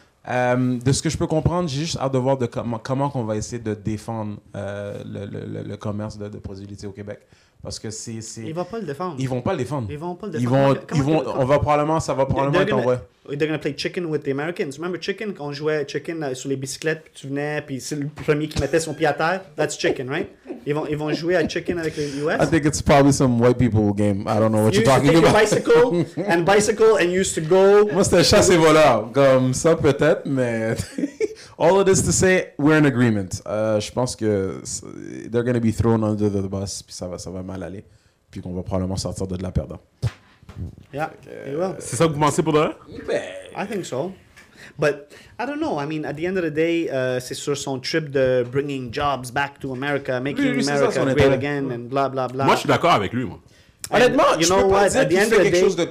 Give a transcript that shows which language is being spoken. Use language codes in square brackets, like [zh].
[fr] De ce que je peux comprendre, j'ai juste hâte de voir comment qu'on va essayer de défendre le commerce de produits laitiers au Québec. Parce que c'est... Ils vont pas le défendre. Ils vont pas le défendre. Ça va probablement être envoyé. [en] They're gonna play chicken with the Americans. Remember chicken? [fr] On jouait chicken sur les bicyclettes, puis tu venais, puis c'est le premier qui mettait son pied à terre. [en] That's chicken, right? [fr] Ils vont jouer à chicken avec les US? [en] I think it's probably some white people game. I don't know what you're talking about. You used to take your bicycle and used to go... [fr] Moi, c'était chasse et voleur. Comme ça, peut-être, mais... [en] All of this to say, we're in agreement. [fr] Je pense que [en] they're going to be thrown under the bus, [fr] puis ça va mal aller, puis qu'on va probablement sortir de la perdant. [en] Yeah, you will. [fr] C'est ça que vous pensez pour demain? [en] I think so. But I don't know. I mean, at the end of the day, [fr] c'est sur son trip de [en] bringing jobs back to America, making America ça, great again, and blah, blah, blah. [fr] Moi, je suis d'accord avec lui, moi. Honnêtement, je peux pas dire qu'il fait quelque chose de...